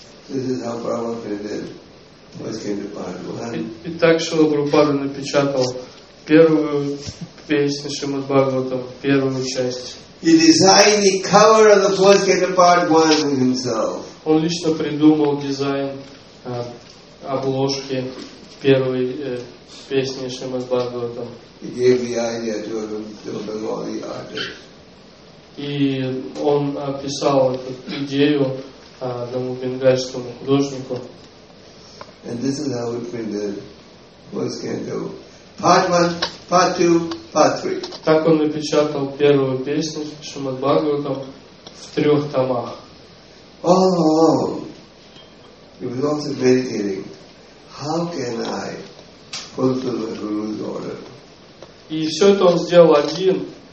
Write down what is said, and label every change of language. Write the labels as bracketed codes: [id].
[ru] И так Шрила Прабхупада напечатал первую песню Шримад Бхагаватам, первую часть. [en] He designed the cover of the first Kingdom Part One himself. [ru] Он лично придумал дизайн обложки первой песни Шримад Бхагаватам. [en] He gave the idea to a Bengali artist. [ru] И он описал эту идею одному бенгальскому художнику. [en] And this is how it printed first canto. Part one, part two, part three. [ru] Так он напечатал первую песню Шримад Бхагаватам в трех томах. [en] All along, he was also meditating. How can I fulfill the Guru's order? [ru] И все это он сделал один.